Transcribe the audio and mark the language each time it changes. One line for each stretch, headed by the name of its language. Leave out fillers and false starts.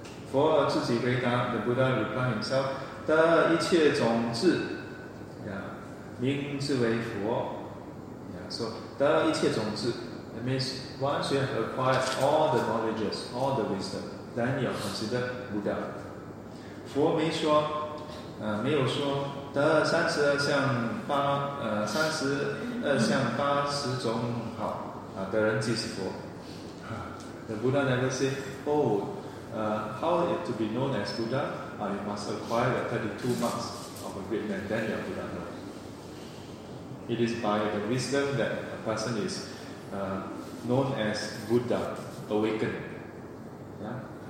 Chinese: 佛自己回答,
English: the Buddha replied himself,
Chinese: 得一切种子, 名字为佛.
English: So,
Chinese: 得一切种子,
English: that means once you have acquired all the knowledges, all the wisdom, then you are considered Buddha.
Chinese: 佛没说, 没有说, 得32相八十种好, 得人即是佛.
English: The Buddha never said, oh, how to be known as Buddha? You must acquire the 32 marks of a great man, then you are Buddha. No. It is by the wisdom that a person is known as Buddha, awakened. Yeah?